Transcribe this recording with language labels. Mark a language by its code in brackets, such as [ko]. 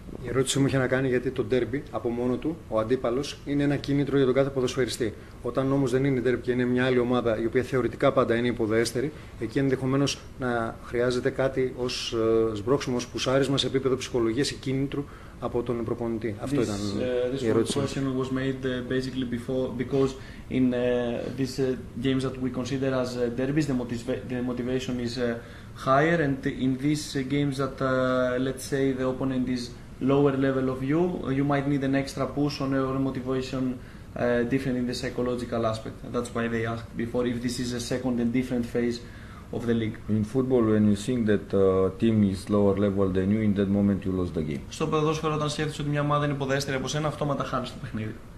[el] Η ερώτηση μου είχε να κάνει γιατί το ντέρμπι από μόνο του, ο αντίπαλος, είναι ένα κίνητρο για τον κάθε ποδοσφαιριστή. Όταν όμως δεν είναι ντέρμπι και είναι μια άλλη ομάδα η οποία θεωρητικά πάντα είναι υποδέστερη, εκεί ενδεχομένως να χρειάζεται κάτι ως σμπρόξιμο, ως πουσάρισμα σε επίπεδο ψυχολογίας ή κίνητρου από τον προπονητή. Αυτό ήταν η ερώτηση. [en] This question was made basically before, because in these games that we consider as derbies, the motivation is higher, and in these games that let's say the opponent is lower level of you, you might need an extra push on your motivation, different in the psychological aspect. That's why they asked before if this is a second and different phase of the league. In football, when you think that a team is lower level than you, in that moment you lost the game. [el] Στο ποδόσφαιρο, όταν σκέφτεσαι ότι μια ομάδα είναι υποδέστερη από σένα, αυτόματα χάνεις το παιχνίδι.